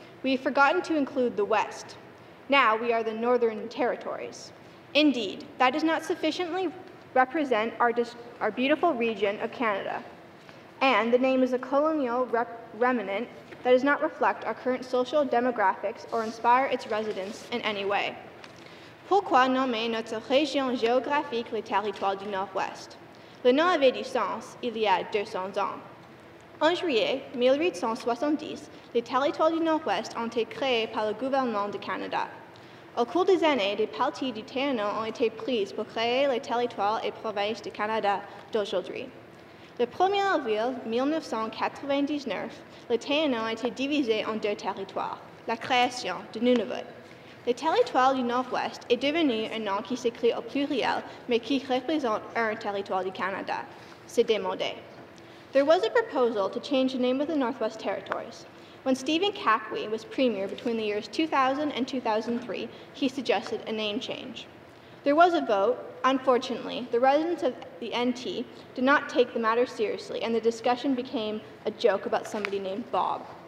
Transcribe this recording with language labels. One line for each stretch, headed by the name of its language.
English: We've forgotten to include the West. Now we are the Northern Territories. Indeed, that does not sufficiently represent our beautiful region of Canada. And the name is a colonial remnant that does not reflect our current social demographics or inspire its residents in any way.
French: Pourquoi nommer notre région géographique le territoire du Nord-Ouest? Le nom avait du sens il y a 200 ans. En juillet 1870, les territoires du Nord-Ouest ont été créés par le gouvernement du Canada. Au cours des années, des parties du TNO ont été prises pour créer les territoires et provinces du Canada d'aujourd'hui. Le 1er avril 1999, le TNO a été divisé en deux territoires, la création de Nunavut. Le territoire du Nord-Ouest est devenu un nom qui s'écrit au pluriel, mais qui représente un territoire du Canada. C'est démodé.
English: There was a proposal to change the name of the Northwest Territories. When Stephen Cackwee was premier between the years 2000 and 2003, he suggested a name change. There was a vote. Unfortunately, the residents of the NT did not take the matter seriously, and the discussion became a joke about somebody named Bob.